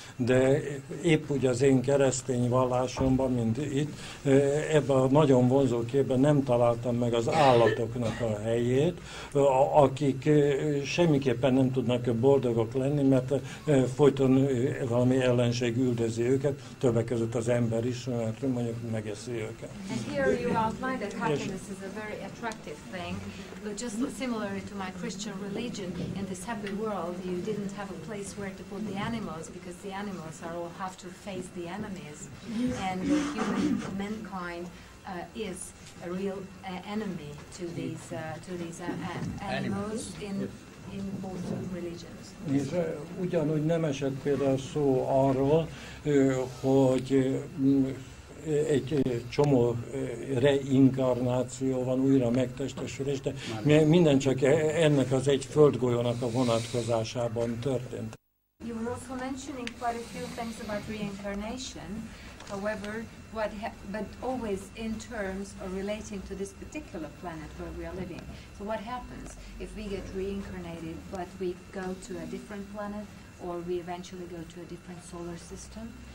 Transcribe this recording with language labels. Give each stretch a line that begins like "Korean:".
Hungarian: De épp úgy az én keresztény vallásomban, mint itt, ebben a nagyon vonzó képben nem találtam meg az állatoknak a helyét, akik semmiképpen nem tudnak boldogok lenni, mert folyton valami ellenség üldözi őket, többek között az ember is, mert mondjuk megeszi őket.
English: And here you outline that happiness is a very attractive thing, but just similar to my Christian religion, in this happy world you didn't have a place where to put the animals, because the animals are all have to face the enemies, and the human mankind is a real enemy to these animals in both religions.
Hungarian: És ugyanúgy nem esett például szó arról, hogy egy csomó reinkarnáció van, újra megtestesülés, de minden csak ennek az egy földgolyónak a vonatkozásában történt.
English: You were also mentioning quite a few things about reincarnation, however, but always in terms of relating to this particular planet where we are living. So what happens if we get reincarnated, but we go to a different planet, or we eventually go to a different solar system?